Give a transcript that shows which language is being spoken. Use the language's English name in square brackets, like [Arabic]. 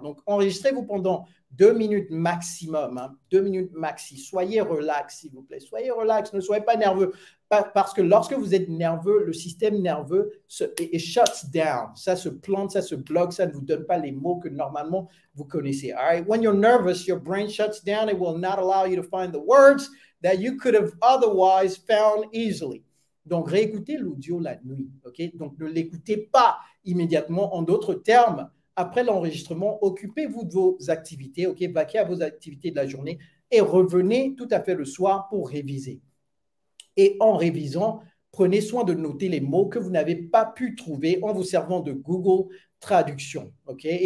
[French] Donc, enregistrez-vous pendant 2 minutes maximum, hein? 2 minutes maxi. Soyez relax, s'il vous plaît. Soyez relax, ne soyez pas nerveux. Parce que lorsque vous êtes nerveux, le système nerveux [English] shuts down. [French] Ça se plante, ça se bloque, ça ne vous donne pas les mots que normalement vous connaissez. [English] All right? When you're nervous, your brain shuts down. It will not allow you to find the words that you could have otherwise found easily. [French] Donc, réécoutez l'audio la nuit. Okay? Donc, ne l'écoutez pas immédiatement. En d'autres termes, après l'enregistrement, occupez-vous de vos activités, okay? Vaquez à vos activités de la journée et revenez tout à fait le soir pour réviser. Et en révisant, prenez soin de noter les mots que vous n'avez pas pu trouver en vous servant de Google Traduction. Okay?